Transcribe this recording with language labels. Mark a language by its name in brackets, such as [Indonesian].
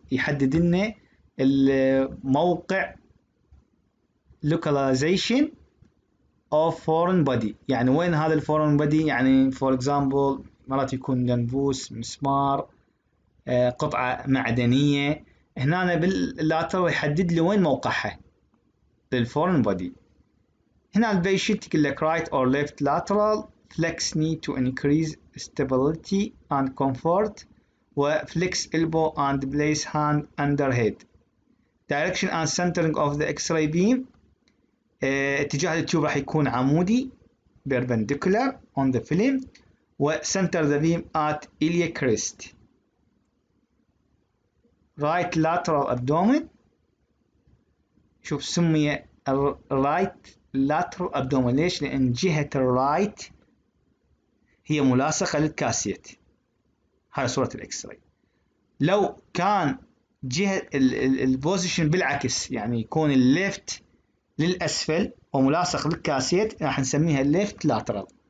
[Arabic] يحدد لنا الموقع [English] localization of foreign body، [Arabic] يعني وين هذا ال foreign body، يعني [English] for example [Arabic] مرات يكون جنبوس، مسمار، قطعة معدنية. هنا باللاتر يحدد لي وين موقعها بال foreign body. هنا البيشنت يقول لك [English] right or left lateral flex knee to increase stability and comfort و flex elbow and place hand under head. direction and centering of the x-ray beam، [Arabic] اتجاه التيوب راح يكون عمودي [English] perpendicular on the film، و center the beam at iliac crest. right lateral abdomen، [Arabic] شوف سمي right lateral abdomen ليش؟ لان جهة right هي ملاصقة للكاسيت. هاي صورة الاكس راي. لو كان جهة البوزيشن بالعكس، يعني يكون الليفت للأسفل وملاصق للكاسيت، راح نسميها الليفت لاترال.